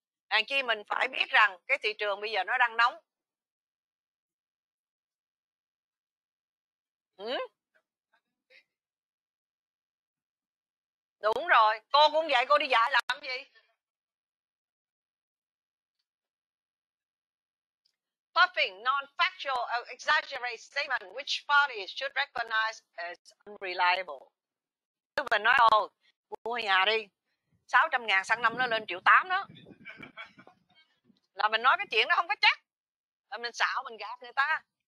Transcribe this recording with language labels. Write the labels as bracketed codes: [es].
[vi] Hàng chi mình phải biết rằng cái thị trường bây giờ nó đang nóng. Đúng rồi, con cũng vậy, cô đi dạy làm gì? [en] Puffing, non-factual, exaggerated statement which parties should recognize as unreliable. [vi] Tức là nói, ồ, mua nhà đi, 600 ngàn sang năm nó lên 1.8 triệu đó. Là mình nói cái chuyện nó không có chắc. Là mình xạo, mình gạt người ta.